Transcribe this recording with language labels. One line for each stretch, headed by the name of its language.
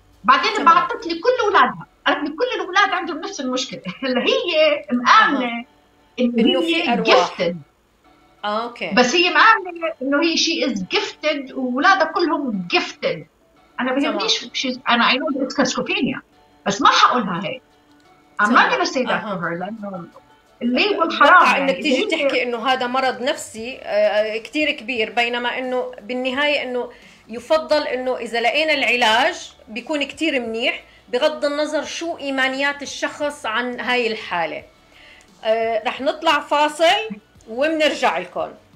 Arabic: بعدين بعثت لي كل اولادها, قالت لي كل الاولاد عندهم نفس المشكله. هلا هي مآمنه انه في ارواح
English: gifted. Okay.
Arabic: بس هي مآمنة إنه هي
English: she is gifted
Arabic: وولادها كلهم gifted. أنا بهمنيش she's, أنا
English: I know it's schizophrenia
Arabic: بس ما حقولها هيك.
English: I'm not gonna say that to her
Arabic: لأنه الليبل حرام. يعني إنك تيجي تحكي إنه هذا مرض نفسي كتير كبير, بينما إنه بالنهاية إنه يفضل إنه إذا لقينا العلاج بيكون كتير منيح بغض النظر شو إيمانيات الشخص عن هاي الحالة. رح نطلع فاصل ومنرجع لكم.